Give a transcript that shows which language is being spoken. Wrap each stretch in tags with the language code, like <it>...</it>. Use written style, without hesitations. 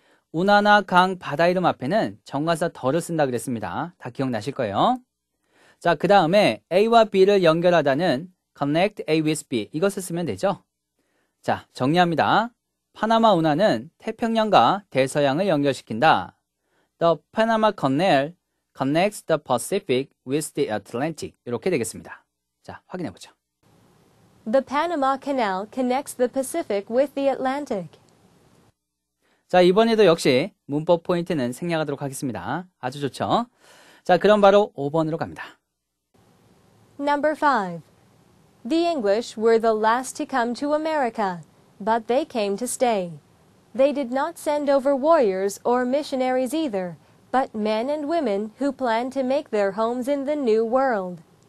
<ko>운하나 강, 바다 이름 앞에는 정관사 덜을 쓴다 그랬습니다. 다 기억나실 거예요. 자, 그 다음에 A와 B를 연결하다는 connect A with B 이것을 쓰면 되죠. 자, 정리합니다. 파나마 운하는 태평양과 대서양을 연결시킨다.</ko> <en>The Panama Canal connects the Pacific with the Atlantic.</en> <ko>이렇게 되겠습니다. 자, 확인해 보죠.</ko> <en>The Panama Canal connects the Pacific with the Atlantic.</en> <ko>자, 이번에도 역시 문법 포인트는 생략하도록 하겠습니다. 아주 좋죠. 자, 그럼 바로 5번으로 갑니다.</ko> <en>Number 5. The English were the last to come to America, but they came to stay. They did not send over warriors or missionaries either, but men and women who plan to make their homes in the new world.</en>